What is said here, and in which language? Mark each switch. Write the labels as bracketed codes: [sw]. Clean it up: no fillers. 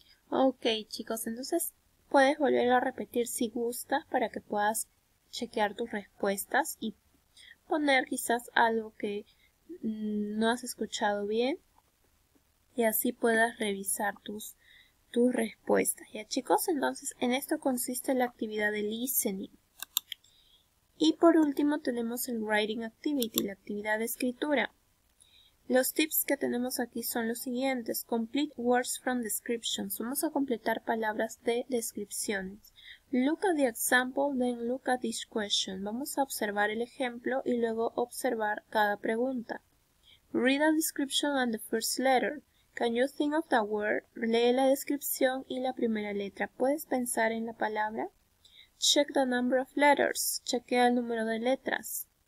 [es] Okay, chicos, entonces puedes volver a repetir si gustas para que puedas chequear tus respuestas y poner quizás algo que no has escuchado bien y así puedas revisar tus respuestas. Ya, chicos, entonces en esto consiste la actividad de listening. Y por último tenemos el writing activity, la actividad de escritura. Los tips que tenemos aquí son los siguientes. [en] Complete words from descriptions. [es] Vamos a completar palabras de descripciones. [en] Look at the example, then look at each question. [es] Vamos a observar el ejemplo y luego observar cada pregunta. [en] Read a description and the first letter. Can you think of the word? [es] Lee la descripción y la primera letra. ¿Puedes pensar en la palabra? [en] Check the number of letters. [es] Chequea el número de letras.